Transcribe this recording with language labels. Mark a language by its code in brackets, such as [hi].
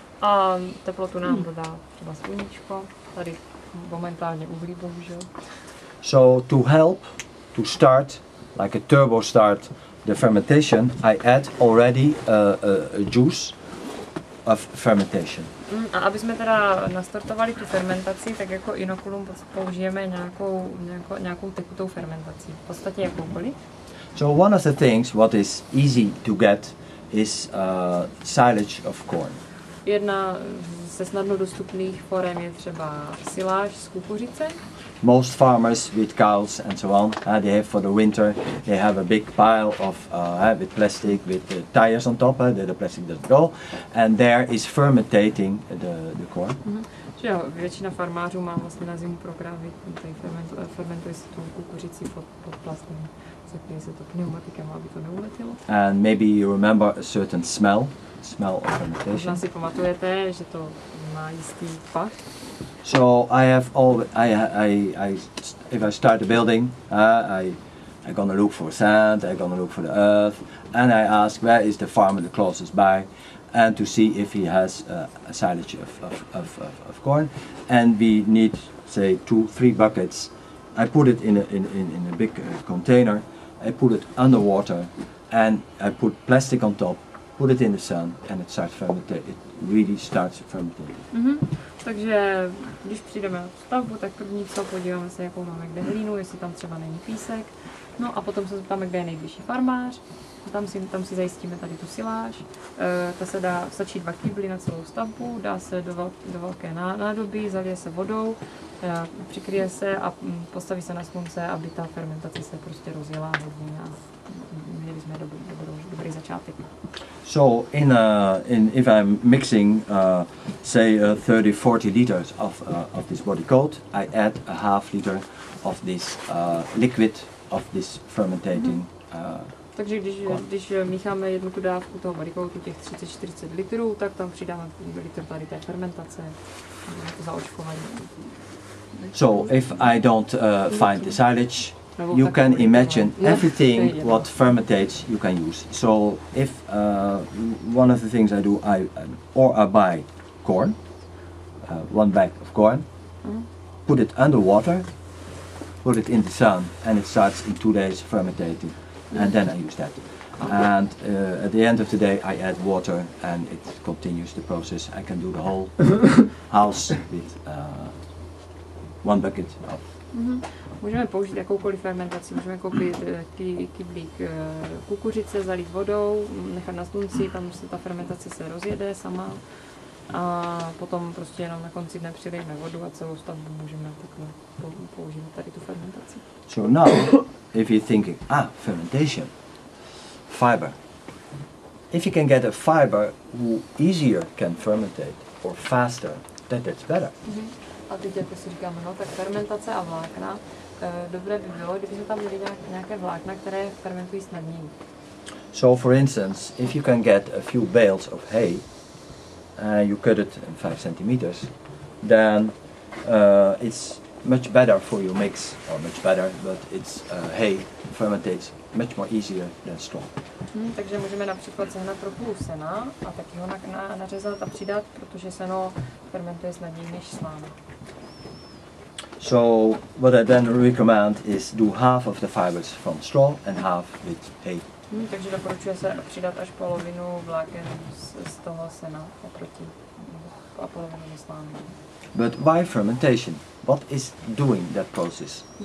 [cs] A teplotu nám dodá třeba sluníčko. Tady momentálně uhlí, bohužel. [en] So to help to start, like a turbo start, the fermentation, I add already a juice of fermentation. [cs] A aby jsme teda nastartovali tu fermentaci, tak jako inokulum použijeme nějakou tekutou fermentaci, v podstatě jakoukoliv. [en] So one of the things what is easy to get is silage of corn. [cs] Jedna ze snadno dostupných forem je třeba siláž z kukuřice. [en] Most farmers with cows and so on, they have for the winter, they have a big pile of with plastic with the tires on top, that the plastic doesn't go, and there is fermentating the corn. Mm-hmm. [cs] Většina farmářů má vlastně na zimu pro krávy, fermentuje se tu kukuřici pod plastem, zapíjí se to pneumatikem, aby to neuletilo. [en] And maybe you remember a certain smell of fermentation. [cs] Možná si pamatujete, že to má jistý pach. [en] So I have all I if I start a building, I'm gonna look for sand, I'm gonna look for the earth, and I ask where is the farmer the closest by, and to see if he has a silage of corn, and we need say 2-3 buckets I put it in a big container. I put it underwater, and I put plastic on top. Put it in the sun, and it starts fermenting. It really starts fermenting. Mm-hmm. [cs] Takže když přijdeme na stavbu, tak první co podíváme se, jakou máme kde hlínu, jestli tam třeba není písek. No a potom se zeptáme, kde je nejbližší farmář. Tam si zajistíme tady tu siláž. Ta se dá stačí dva kýbly na celou stavbu, dá se do velké nádoby, zalije se vodou, přikryje se a postaví se na slunce, aby ta fermentace se prostě rozjela hodně a měli jsme dobrý začátek. [en] So if I'm mixing say 30-40 liters of this body cold, I add a half liter of this liquid of this fermentating. [cs] Takže když mícháme jednu tu dávku toho barikolku, těch 30-40 litrů, tak tam přidáme litr tady té fermentace za očkování. [en] So if I don't find the silage, you can imagine everything what fermentates you can use. So if one of the things I do, I buy corn, one bag of corn, put it under water, put it in the sun, and it starts in 2 days fermentating. And then I use that. And at the end of the day, I add water, and it continues the process. I can do the whole house with one bucket of. [cs] Můžeme použít jakoukoliv fermentaci. Můžeme koupit kyblík kukuřice, zalít vodou, nechat na slunci, tam se ta fermentace se rozjede sama. A potom prostě jenom na konci dne přilijeme vodu a celou stavbu můžeme takhle používat tady tu fermentaci. [en] So now, if you're thinking, fermentation, fiber. If you can get a fiber who easier can fermentate or faster, that's better. Mm-hmm. [cs] A teď jako si říkáme, no tak fermentace a vlákna, dobré by bylo, kdyby se tam měli nějaké vlákna, které fermentují snadněji. [en] So for instance, if you can get a few bales of hay, you cut it in 5 centimeters, then it's much better for your mix, or much better, but it's hay fermentates much more easier than straw. [cs] Takže můžeme například sehnat pro půl sena a taky ho nařezat a přidat, protože seno fermentuje snadněji než sláma. [en] So what I then recommend is do half of the fibers from straw and half with hay. [cs] Takže doporučuje se přidat až polovinu vláken z toho sena oproti a polovinu ze slámy. [en] But why fermentation? What is doing that process?